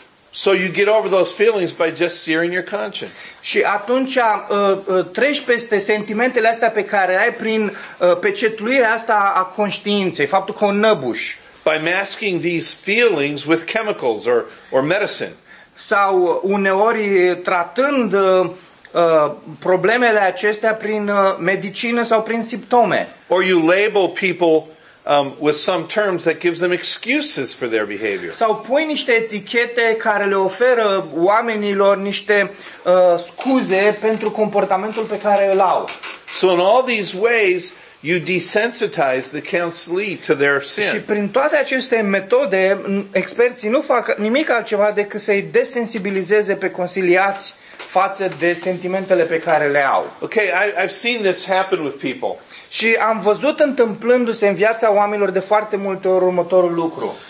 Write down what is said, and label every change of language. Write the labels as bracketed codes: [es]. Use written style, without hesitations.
[en] So you get over those feelings by just searing your conscience. [ro] Și atunci treci peste sentimentele astea pe care ai prin pecetluirea asta a conștiinței, faptul că o năbuși. [en] By masking these feelings with chemicals or medicine. [ro] Sau uneori tratând problemele acestea prin medicină sau prin simptome. [en] Or you label people with some terms that gives them excuses for their behavior. [ro] Sau pui niște etichete care le oferă oamenilor niște scuze pentru comportamentul pe care îl au. [en] So in all these ways you desensitize the counselee to their sin. [ro] Și prin toate aceste metode experții nu fac nimic altceva decât să-i desensibilizeze pe consiliați față de sentimentele pe care le au. [en] Okay, I've seen this happen with people. [ro] Și am văzut întâmplându-se în viața oamenilor de foarte multe ori următorul lucru.